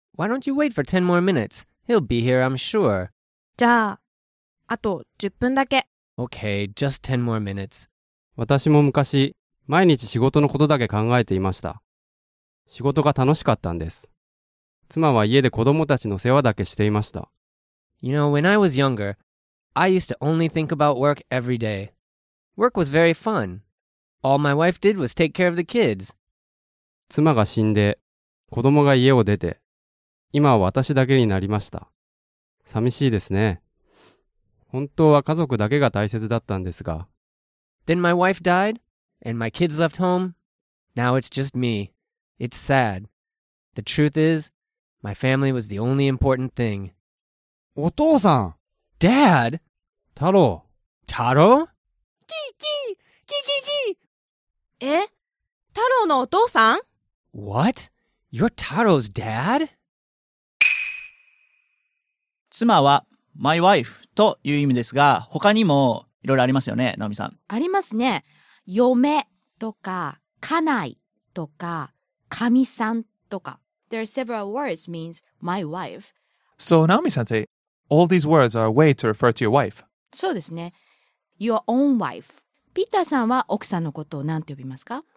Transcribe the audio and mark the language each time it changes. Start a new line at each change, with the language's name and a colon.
English: Why don't you wait for 10 more minutes? He'll be here, I'm sure.
Japanese: じゃあ、あと10分だけ。
English: Okay, just 10 more minutes.
Japanese: 私も昔、毎日仕事のことだけ考えていました。仕事が楽しかったんです。妻は家で子供たちの世話だけしていました。
English: You know, when I was younger, I used to only think about work every day. Work was very fun. All my wife did was take care of the kids.
Japanese: 妻が死んで、子供が家を出て、今は私だけになりました。寂しいですね。本当は家族だけが大切だったんですが。
English: Then my wife died, and my kids left home. Now it's just me. It's sad. The truth is, my family was the only important thing.
Japanese: お父さん。
English: Dad?
Japanese: 太郎。太郎？キーキー、キーキーキー。え？太郎のお父さん？
English: What? You're Taro's dad?
Japanese: 妻は、
English: my wife
Japanese: という意味ですが、他にもいろいろありますよね、ナオミさん。ありますね。嫁とか、家内とか、神さんとか。
English: There are several words means my wife. So, Naomi-san say, all these words are a way to refer to your wife.
Japanese: そうですね。
English: Your own wife.
Japanese: ピーターさんは奥さんのことをなんて呼びますか？